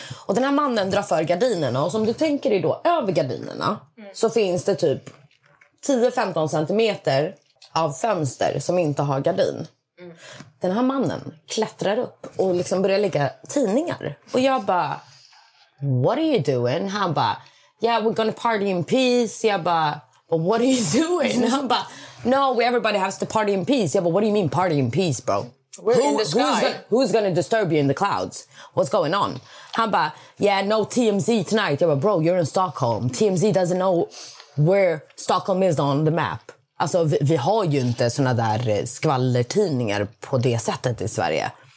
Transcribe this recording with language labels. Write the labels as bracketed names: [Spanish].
[Swedish] Och den här mannen drar för gardinerna. Och som du tänker dig då, över gardinerna så finns det typ 10-15 centimeter av fönster som inte har gardin. Den här mannen klättrar upp och liksom börjar lägga tidningar. Och jag bara, [English] what are you doing? [Swedish] Han bara, [English] yeah, we're gonna party in peace. [Swedish] Jag bara, [English] but what are you doing? [Swedish] Han bara, [English] no, everybody has to party in peace. [Swedish] Jag bara, [English] what do you mean party in peace, bro? We're in the sky. Who's gonna disturb you in the clouds? What's going on? [Swedish] Han bara, [English] yeah, no TMZ tonight. [Swedish] Jag bara, [English] bro, you're in Stockholm. TMZ doesn't know where Stockholm is on the map. [Swedish] Alltså vi har ju inte såna där skvallertidningar på det sättet i Sverige.